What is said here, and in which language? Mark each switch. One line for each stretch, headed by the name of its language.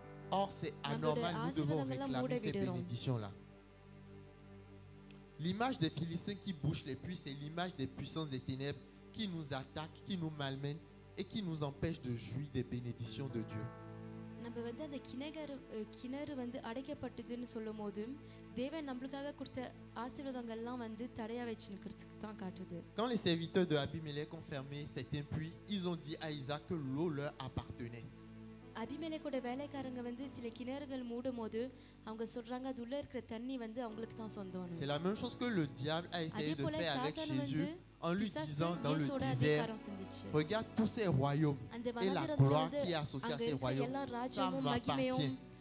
French: Or, c'est anormal, nous devons réclamer ces bénédictions-là. L'image des Philistins qui bouchent les puits, c'est l'image des puissances des ténèbres qui nous attaquent, qui nous malmènent et qui nous empêchent de jouir des bénédictions de Dieu.
Tamil: நம்ம வந்து அந்த கிணறு கிணறு வந்து அடைக்கப்பட்டதுன்னு சொல்லும்போது தேவன் நம்மளுக்காக கொடுத்த ஆசீர்வாதங்கள் எல்லாம் வந்து தடையா வெச்சிருக்கிறதுக்கு தான் காட்டுது.
French: Quand les serviteurs de Abimélec ont fermé certains puits, ils ont dit à Isaac que l'eau leur appartenait.
Tamil: அபிமெலேக்கோட வேலைக்காரங்க வந்து சில கிணறுகள் மூடும்போது அவங்க சொல்றாங்க அது உள்ள இருக்கிற தண்ணி வந்து அவங்களுக்கு தான் சொந்தம்னு.
French: C'est la même chose que le diable a essayé de faire avec Jésus. En lui disant dans le désert, regarde tous ces royaumes et la gloire qui est associée à ces royaumes, ça m'appartient.